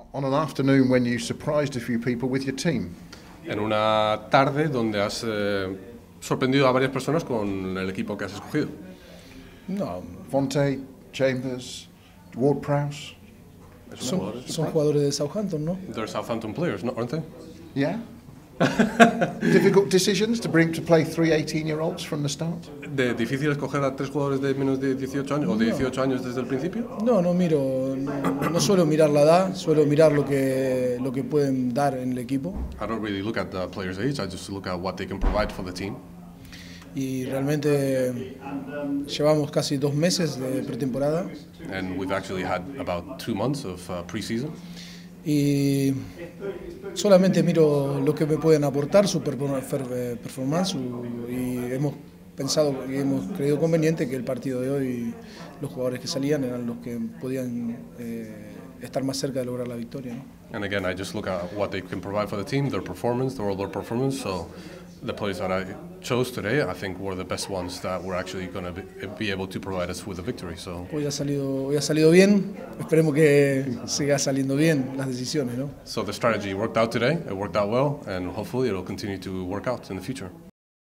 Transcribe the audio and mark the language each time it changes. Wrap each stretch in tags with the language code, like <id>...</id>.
<en>on an afternoon when you surprised a few people with your team?</en> <es>En una tarde donde has sorprendido a varias personas con el equipo que has escogido.</es> <en>No, Fonte, Chambers, Ward-Prowse.</en> <es>Son jugadores de Southampton, ¿no?</es> <en>They're Southampton players,</en> <es>¿no?</es> <en>Aren't they? Yeah. Difficult decisions to bring to play three 18-year-olds from the start.</en> <es>¿De difícil escoger a tres jugadores de menos de 18 años o de 18 años desde el principio? No, no miro, no suelo mirar la edad, suelo mirar lo que pueden dar en el equipo.</es> <en>I don't really look at the players' age. I just look at what they can provide for the team.</en> <es>Y realmente llevamos casi dos meses de pretemporada.</es> <en>And we've actually had about 2 months of preseason.</en> <es>Y solamente miro lo que me pueden aportar su performance y hemos pensado y hemos creído conveniente que el partido de hoy los jugadores que salían eran los que podían estar más cerca de lograr la victoria, ¿no?</es> <en>And again, I just look at what they can provide for the team, their performance, their overall performance. So the players that I chose today, I think, were the best ones that were actually going to be able to provide us with a victory. So</en> <es>hoy ha salido bien. Esperemos que siga saliendo bien las decisiones, ¿no?</es> <en>So the strategy worked out today. It worked out well, and hopefully it will continue to work out in the future.</en>